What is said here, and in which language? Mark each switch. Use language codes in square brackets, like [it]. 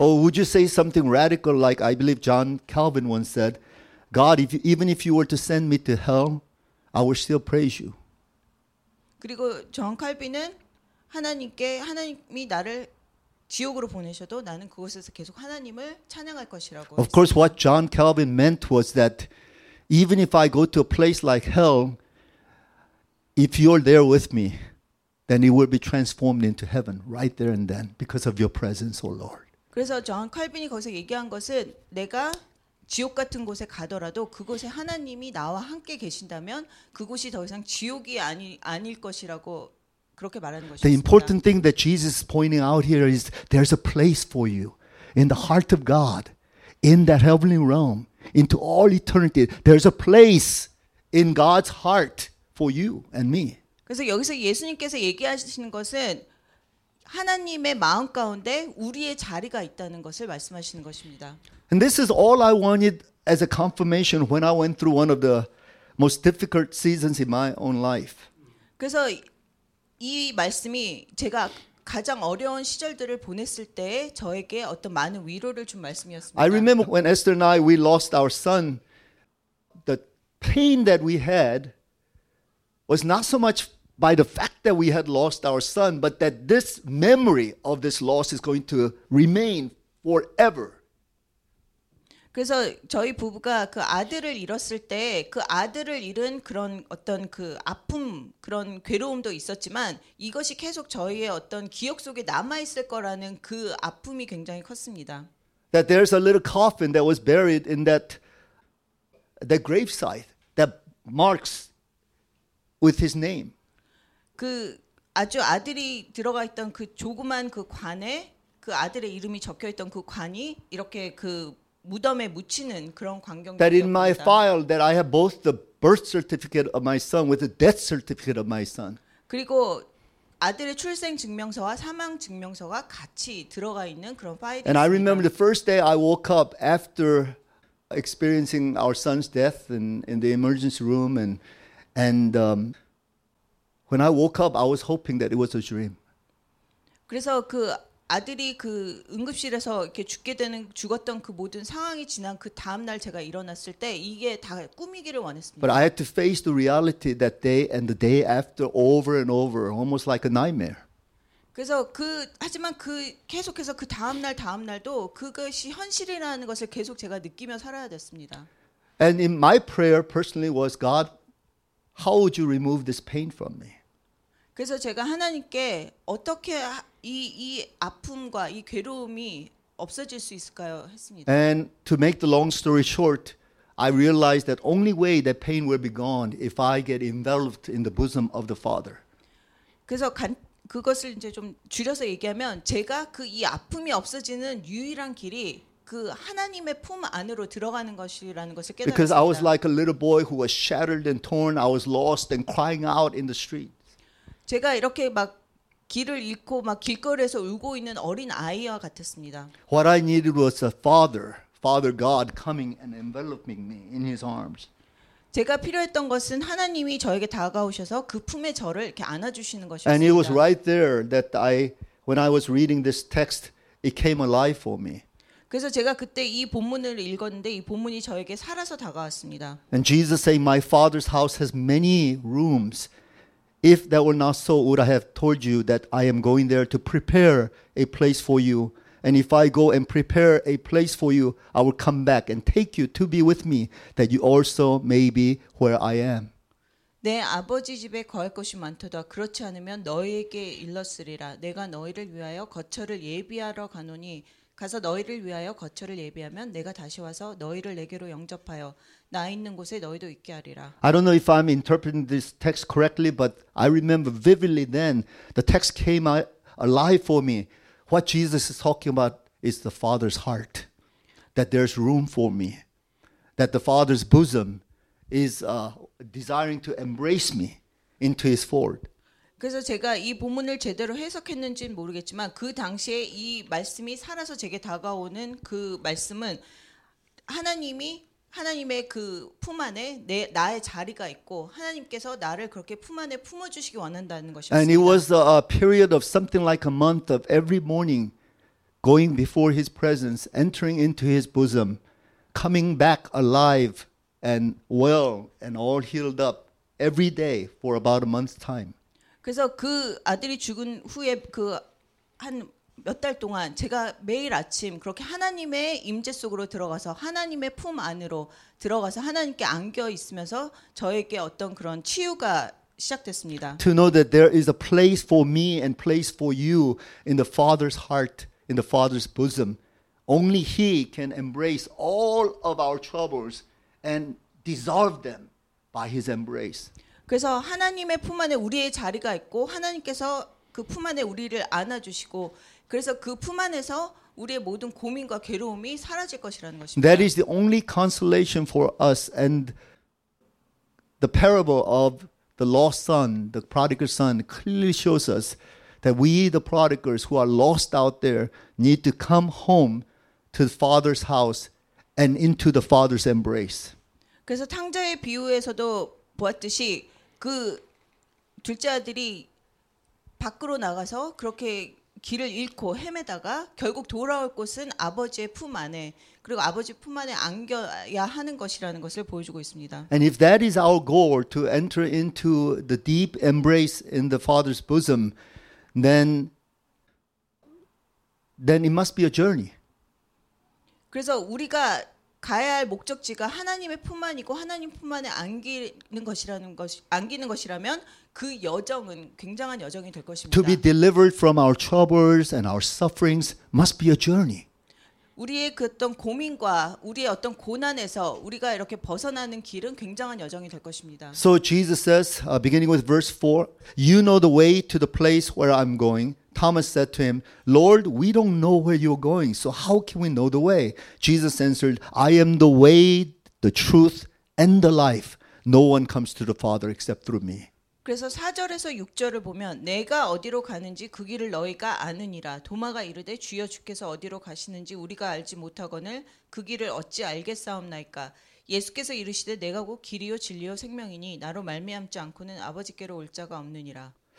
[en] Oh, would you say something radical like I believe John Calvin once said, God, if you, even if you were to send me to hell, I would still praise you. [ko] 그리고 존 칼빈은 하나님께 하나님이 나를 지옥으로 보내셔도 나는 그곳에서 계속 하나님을 찬양할 것이라고 [en] Of [ko] 했습니다. [en] course, what John Calvin meant was that even if I go to a place like hell, if you're there with me, then it will be transformed into heaven right there and then because of your presence, O Lord. [ko] 그래서 존 칼빈이 거기서 얘기한 것은 내가 지옥 같은 곳에 가더라도 그곳에 하나님이 나와 함께 계신다면 그곳이 더 이상 지옥이 아닐 것이라고 그렇게 말하는 것입니다. [en] The important thing that Jesus is pointing out here is there's a place for you in the heart of God, in that heavenly realm, into all eternity. There's a place in God's heart for you and me. [ko] 그래서 여기서 예수님께서 얘기하시는 것은 하나님의 마음 가운데 우리의 자리가 있다는 것을 말씀하시는 것입니다. [en] And this is all I wanted as a confirmation when I went through one of the most difficult seasons in my own life. [ko] 그래서 이 말씀이 제가 가장 어려운 시절들을 보냈을 때 저에게 어떤 많은 위로를 준 말씀이었습니다. [en] I remember when Esther and I we lost our son, the pain that we had was not so much by the fact that we had lost our son, but that this memory of this loss is going to remain forever. [ko] 그래서 저희 부부가 그 아들을 잃었을 때 그 아들을 잃은 그런 어떤 그 아픔 그런 괴로움도 있었지만 이것이 계속 저희의 어떤 기억 속에 남아 있을 거라는 그 아픔이 굉장히 컸습니다. [en] That there's a little coffin that was buried in that gravesite that marks with his name. [ko] 그 아주 아들이 들어가 있던 그 조그만 그 관에 그 아들의 이름이 적혀 있던 그 관이 이렇게 그 무덤에 묻히는 그런 광경. [en] That in my file that I have both the birth certificate of my son with the death certificate of my son. [ko] 그리고 아들의 출생 증명서와 사망 증명서가 같이 들어가 있는 그런 파일이 있습니다. [en] And I remember the first day I woke up after experiencing our son's death in the emergency room and when I woke up I was hoping that it was a dream. [ko] 그래서 그 아들이 그 응급실에서 이렇게 죽게 되는 죽었던 그 모든 상황이 지난 그 다음 날 제가 일어났을 때 이게 다 꿈이기를 원했습니다. [en] But I had to face the reality that day and the day after over and over almost like a nightmare. [ko] 그래서 그 하지만 그 계속해서 그 다음 날 다음 날도 그것이 현실이라는 것을 계속 제가 느끼며 살아야 됐습니다. [en] And in my prayer personally was God, how would you remove this pain from me? [ko] 그래서 제가 하나님께 어떻게 이 아픔과 이 괴로움이 없어질 수 있을까요? 했습니다. [en] And to make the long story short, I realized that only way that pain will be gone if I get enveloped in the bosom of the Father. [ko] 그래서 그것을 이제 좀 줄여서 얘기하면 제가 그 이 아픔이 없어지는 유일한 길이 그 하나님의 품 안으로 들어가는 것이라는 것을 깨달았습니다. [en] Because I was like a little boy who was shattered and torn, I was lost and crying out in the street. [ko] 제가 이렇게 막 길을 잃고 막 길거리에서 울고 있는 어린 아이와 같았습니다. [en] What I needed was a father, Father God coming and enveloping me in his arms. [ko] 제가 필요했던 것은 하나님이 저에게 다가오셔서 그 품에 저를 이렇게 안아 주시는 것이었습니다. [en] And it was right there that I when I was reading this text, it came alive for me. [ko] 그래서 제가 그때 이 본문을 읽었는데 이 본문이 저에게 살아서 다가왔습니다. [en] And Jesus saying my father's house has many rooms. If that were not so, would I have told you that I am going there to prepare a place for you? And if I go and prepare a place for you, I will come back and take you to be with me, that you also may be where I am. [ko] 내 아버지 집에 거할 것이 많도다. 그렇지 않으면 너희에게 일렀으리라. 내가 너희를 위하여 거처를 예비하러 가노니 가서 너희를 위하여 거처를 예비하면 내가 다시 와서 너희를 내게로 영접하여 나 있는 곳에 너희도 있게 하리라. [en] I don't know if I'm interpreting this text correctly, but I remember vividly then the text came alive for me. What Jesus is talking about is the Father's heart, that there's room for me, that the Father's bosom is desiring to embrace me into His fold. [ko] 그래서 제가 이 본문을 제대로 해석했는지는 모르겠지만 그 당시에 이 말씀이 살아서 제게 다가오는 그 말씀은 하나님이 하나님의 그 품 안에 내 나의 자리가 있고 하나님께서 나를 그렇게 품 안에 품어 주시기 원한다는 것이었습니다. [en] And it was a period of something like a month of every morning going before his presence, entering into his bosom, coming back alive and well and all healed up every day for about a month's time. [ko] 그래서 그 아들이 죽은 후에 그 한 몇 달 동안 제가 매일 아침 그렇게 하나님의 임재 속으로 들어가서 하나님의 품 안으로 들어가서 하나님께 안겨 있으면서 저에게 어떤 그런 치유가 시작됐습니다. [en] To know that there is a place for me and place for you in the Father's heart, in the Father's bosom. Only He can embrace all of our troubles and dissolve them by His embrace. [ko] 그래서 하나님의 품 안에 우리의 자리가 있고 하나님께서 그 품 안에 우리를 안아주시고 그래서 그 품 안에서 우리의 모든 고민과 괴로움이 사라질 것이라는 것입니다. [en] That is the only consolation for us and the parable of the lost son, the prodigal son clearly shows us that we the prodigals who are lost out there need to come home to the Father's house and into the Father's embrace. [ko] 그래서 탕자의 비유에서도 보았듯이 그 둘째 아들이 밖으로 나가서 그렇게 길을 잃고 헤매다가 결국 돌아올 곳은 아버지의 품 안에 그리고 아버지 품 안에 안겨야 하는 것이라는 것을 보여주고 있습니다. [en] And if that is our goal to enter into the deep embrace in the Father's bosom, then it must be a journey. [ko] 그래서 우리가 가야 할 목적지가 하나님의 품 안이고 하나님 품 안에 안기는 것이라는 것 안기는 것이라면 그 여정은 굉장한 여정이 될 것입니다. [en] To be delivered from our troubles and our sufferings must be a journey. [ko] 우리의 그 어떤 고민과 우리의 어떤 고난에서 우리가 이렇게 벗어나는 길은 굉장한 여정이 될 것입니다. [en] So Jesus says, beginning with verse 4, "You know the way to the place where I'm going." Thomas said to him, "Lord, we don't know where you're going, so how can we know the way?" Jesus answered, "I am the way, the truth, and the life. No one comes to the Father except through me." [ko] 그래서 4절에서 6절을 보면 내가 어디로 가는지 그 길을 너희가 아느니라. 도마가 이르되 주여 주께서 어디로 가시는지 우리가 알지 못하거늘 그 길을 어찌 알겠사옵나이까. 예수께서 이르시되 내가 곧 길이요 진리요 생명이니 나로 말미암지 않고는 아버지께로 올 자가 없느니라.